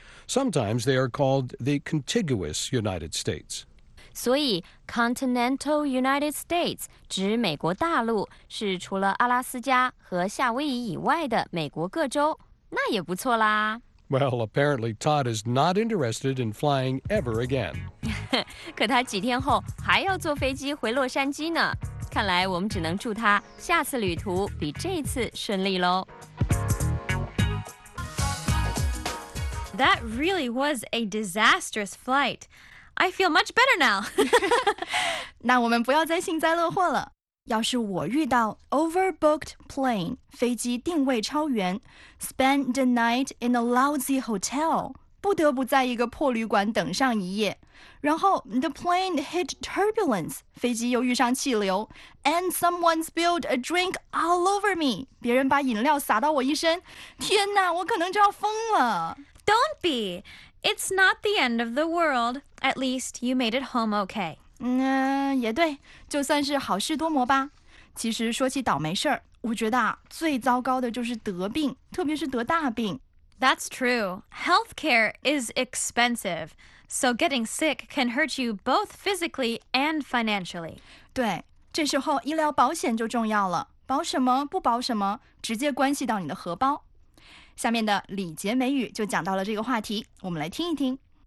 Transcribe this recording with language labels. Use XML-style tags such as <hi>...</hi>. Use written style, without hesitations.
<en>Sometimes they are called the contiguous United States.</en> <zh>所以 continental United States 指美国大陆是除了阿拉斯加和夏威夷以外的美国各州，那也不错啦。</zh> <en>Well, apparently Todd is not interested in flying ever again.</en> <zh>可他几天后还要坐飞机回洛杉矶呢。看来我们只能祝他下次旅途比这次顺利咯。</zh> <en>That really was a disastrous flight. I feel much better now.</en> <zh>那我们不要再幸灾乐祸了。要是我遇到 overbooked plane, 飞机定位超员 spend the night in a lousy hotel, 不得不在一个破旅馆等上一夜然后 the plane hit turbulence, 飞机又遇上气流 and someone spilled a drink all over me, 别人把饮料洒到我一身天哪我可能就要疯了</zh> <en>Don't be, it's not the end of the world, at least you made it home okay.</en> <zh>也对，就算是好事多磨吧。其实说起倒霉事儿，我觉得啊，最糟糕的就是得病，特别是得大病。</zh> <en>That's true. Healthcare is expensive, so getting sick can hurt you both physically and financially.</en> <zh>对，这时候医疗保险就重要了。保什么不保什么，直接关系到你的荷包。下面的李杰美语就讲到了这个话题，我们来听一听。</zh>